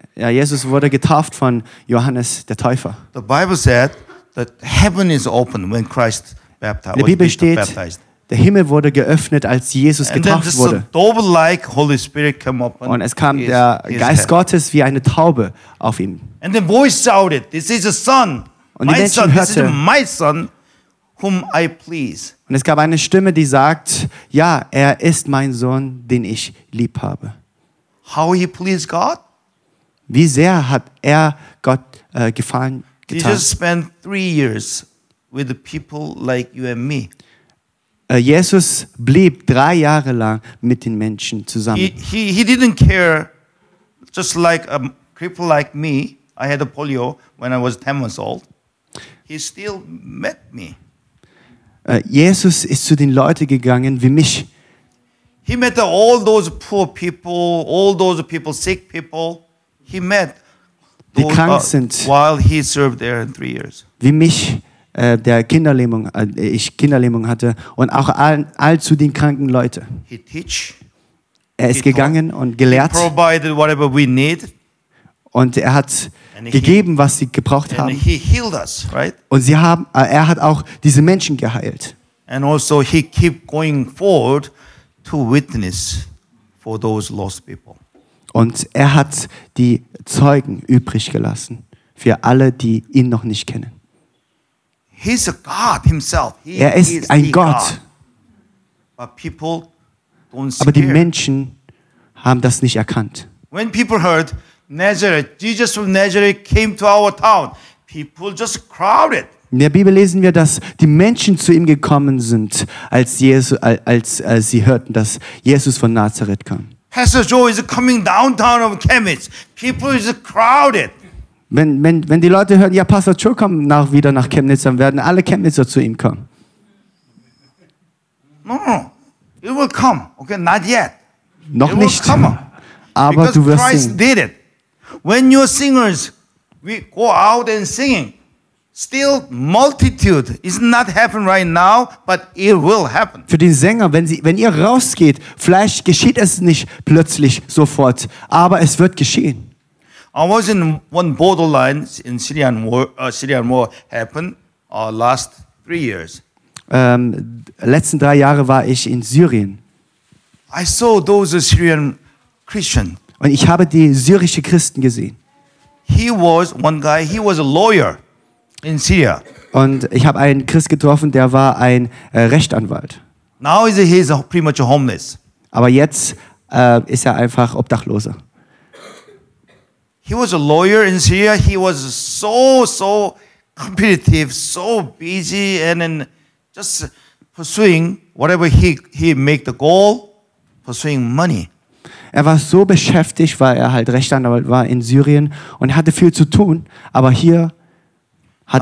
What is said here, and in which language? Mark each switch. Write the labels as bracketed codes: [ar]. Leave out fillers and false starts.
[de] Ja, Jesus wurde getauft von Johannes der Täufer. [en] The Bible said that heaven is open when Christ baptized. [de] Die Bibel steht, der Himmel wurde geöffnet, als Jesus getauft wurde. [en] Dove-like Holy Spirit came up [de] und es kam der Geist Gottes wie eine Taube auf ihm. [en] And the voice shouted, "This is a son. [de] Und [en] my son. [de] Hörte, [en] this is my son." Whom I please. [de] Und es gab eine Stimme, die sagt, ja, er ist mein Sohn, den ich lieb habe. [en] How he pleased God? [de] Wie sehr hat er Gott gefallen getan? [en] Jesus spent 3 years with people like you and me. [de] Jesus blieb 3 Jahre lang mit den Menschen zusammen. [en] He didn't care, just like a cripple like me. I had a polio when I was 10 months old. He still met me. [de] Jesus ist zu den Leuten gegangen wie mich. [en] He met all those poor people, all those people, sick people. He met those, [de] die krank sind. [en] While he served there in 3 years. [de] Wie mich, Kinderlähmung hatte und auch all zu den kranken Leuten. [en] He teach. [de] Er ist gegangen und gelehrt. [en] He provided whatever we need. [de] Und er hat gegeben, was sie gebraucht haben. [en] And he healed us, right? [de] Und er hat auch diese Menschen geheilt. [en] And also he keep going forward to witness for those lost people. [de] Und er hat die Zeugen übrig gelassen für alle, die ihn noch nicht kennen. [en] He's a God himself. [de] Er ist ein Gott. [en] But people don't see. [de] Aber die Menschen haben das nicht erkannt. [en] When people heard Nazareth, Jesus from Nazareth came to our town. People just crowded. [de] In der Bibel lesen wir, dass die Menschen zu ihm gekommen sind, als sie hörten, dass Jesus von Nazareth kam. [en] Pastor Joe is coming downtown of Chemnitz. People is crowded. [de] Wenn die Leute hören, ja, Pastor Joe kommt wieder nach Chemnitz, dann werden alle Chemnitzer zu ihm kommen. [en] No, it will come. Okay, not yet. [de] Noch nicht. Aber du wirst sehen. [en] Because Christ did it. When your singers we go out and singing, still multitude is not happen right now, but it will happen. [de] Für den Sänger, wenn ihr rausgeht, vielleicht geschieht es nicht plötzlich sofort, aber es wird geschehen. [en] I was in one borderline in Syrian war. Syrian war happened last 3 years. [de] Letzten 3 Jahre war ich in Syrien. [en] I saw those Syrian Christian. [de] Und ich habe die syrische Christen gesehen. [en] He was one guy, he was a lawyer in Syria. [de] Und ich habe einen Christ getroffen, der war ein Rechtsanwalt. [en] Now he's pretty much homeless. [de] Aber jetzt ist er einfach Obdachloser. [en] He was a lawyer in Syria. He was so, so competitive, so busy and then just pursuing whatever he make the goal, pursuing money. [de] Er war so beschäftigt, weil er halt Rechtsanwalt war in Syrien und hatte viel zu tun, aber hier hat